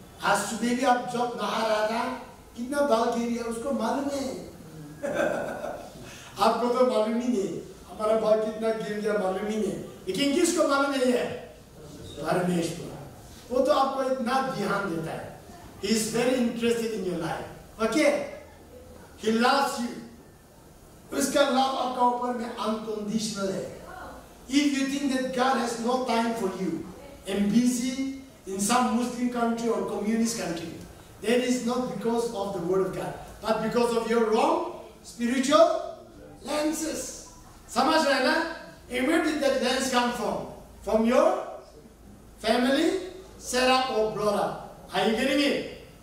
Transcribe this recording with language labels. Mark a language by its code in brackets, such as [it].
[hi] आज सुबह भी आप जब नहा रहा था कितना बाल गिर रही है उसको मालूम है? आपको तो मालूम ही नहीं हमारा बाल कितना गिर गया मालूम ही नहीं, लेकिन किसको मालूम नहीं है? परमेश्वर, वो तो आपको इतना ध्यान देता है। [en] He is very interested in your life. Okay? He loves you. [hi] उसका लव आपका ऊपर में अनकंडीशनल है। [en] If you think that God has no time for you and busy in some Muslim country or communist country, that is not because of the word of God, but because of your wrong spiritual lenses. [hi] समझ रहे हैं ना? [en] And where did that lens come from? From your family, setup or brother? Are you getting it?